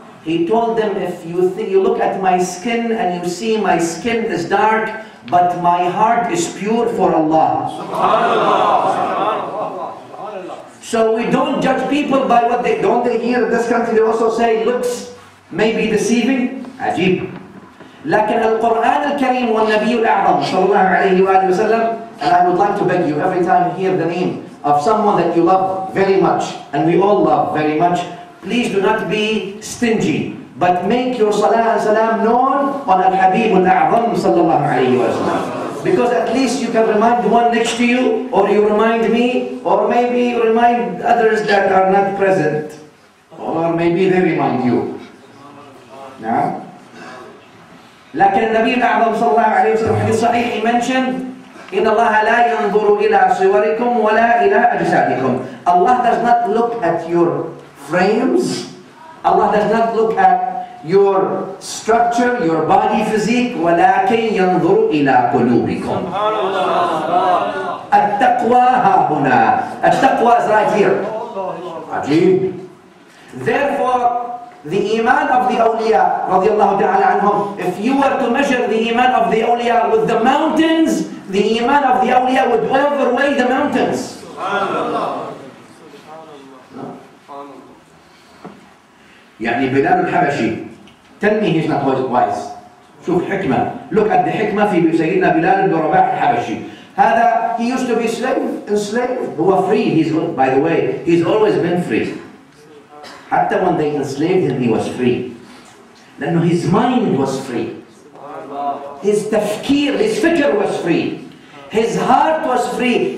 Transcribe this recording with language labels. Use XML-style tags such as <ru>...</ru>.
<en>He told them, if you look at my skin and you see my skin is dark, but my heart is pure for Allah. Subhanallah. So we don't judge people by what they don't they hear in this country. They also say looks may be deceiving. Ajib.</en> <ar>لكن القرآن الكريم والنبي الأعظم صلى الله عليه وآله وسلم.</ar> <en>And I would like to beg you, every time you hear the name of someone that you love very much, and we all love very much, please do not be stingy, but make your salah and salam known on al-habib al-a'zam صلى الله عليه وسلم. Because at least you can remind one next to you, or you remind me, or maybe remind others that are not present, or maybe they remind you. Yeah.</en> <ar>لكن النبي الأعظم صلى الله عليه وسلم في الصحيح</ar> <en>mentioned</en> <ar>إن الله لا ينظر إلى صوركم ولا إلى أجسادكم.</ar> <en>Allah does not look at your frames. Allah does not look at your structure, your body physique.</en> <ar>ولكن ينظر إلى قلوبكم. التقوى ها هنا. التقوى</ar> <en>is right here.</en> <ar>عجيب.</ar> <en>Therefore, the iman of the awliya radiyallahu ta'ala anhum, if you were to measure the iman of the awliya with the mountains, the iman of the awliya would overweigh the mountains. Subhanallah.</en> <ar>يعني</ar> <en>بلال الحبشي, tell me he's not wise.</en> <ar>شوف حكمة,</ar> <en>look at the</en> <ar>حكمة في سيدنا بلال بن رباح الحبشي. هذا,</ar> <en>he used to be enslaved,</en> <ar>هو</ar> <en>free, he's, by the way, he's always been free.</en> <ar>حتى</ar> <en>when they enslaved him, he was free.</en> <ar>لأن</ar> <en>his mind was free. His</en> <ar>تفكير,</ar> <en>his</en> <ar>فكر</ar> <en>was free. His heart was free.</en>